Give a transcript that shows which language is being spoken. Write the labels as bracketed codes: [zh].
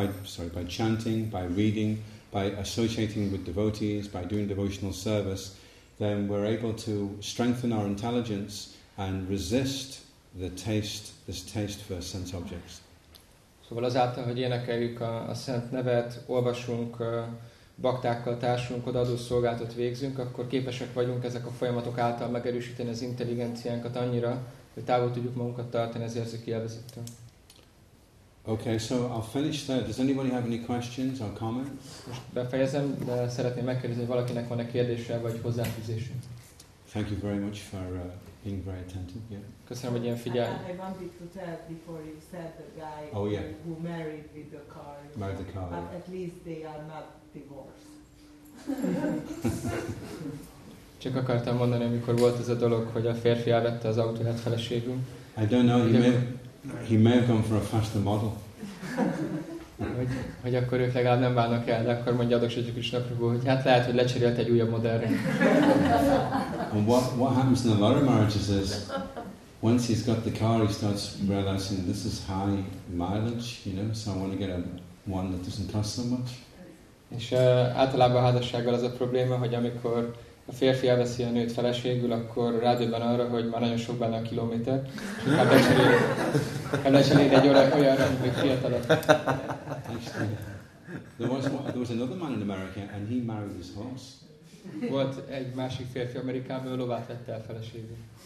[en] So by chanting, by reading, by associating with devotees, by doing devotional service, then we're able to strengthen our intelligence and resist this taste for sense objects. [hu] Szóval azáltal, hogy énekeljük a szent nevet, olvasunk baktákkal, társulunk, odaadó szolgálatot végzünk, akkor képesek vagyunk ezek a folyamatok által megerősíteni az intelligenciánkat annyira, hogy távol tudjuk magunkat tartani az érzéki élvezettől. [en] Okay, so I'll finish there. Does anybody have any questions or comments? [hu] Most befejezem, de szeretném megkérdezni, hogy valakinek van-e kérdése vagy hozzáfűzése. [en] Thank you very much for being very attentive. Yeah. [hu] Köszönöm, hogy ilyen figyelj. [en] I wanted to tell before you said the guy who married with the car. Married the car. But at least they are not divorced. [hu] Csak akartam mondani, amikor volt ez a dolog, hogy a férfi elvette az autóját feleségül. [en] I don't know. He may have gone for a faster model. [hu] Hogy akkor ők legalább nem válnak el, de akkor mondja Adok Sajjuk is napra, hogy hát lehet, hogy lecserélt egy újabb modellre. [en] And what happens in a lot of marriages is, once he's got the car, he starts realizing this is high mileage, you know, so I want to get a one that doesn't cost so much. [hu] És általában a házassággal az a probléma, hogy amikor a férfi elveszi a nőt feleségül, akkor rádöbben arra, hogy már nagyon sok benne a kilométer, és inkább lecserél egy olyanra, amikor fiatalabb. [en] There was another man in America, and he married his horse. [hu] Volt egy másik férfi Amerikában, lovát vette el feleségül.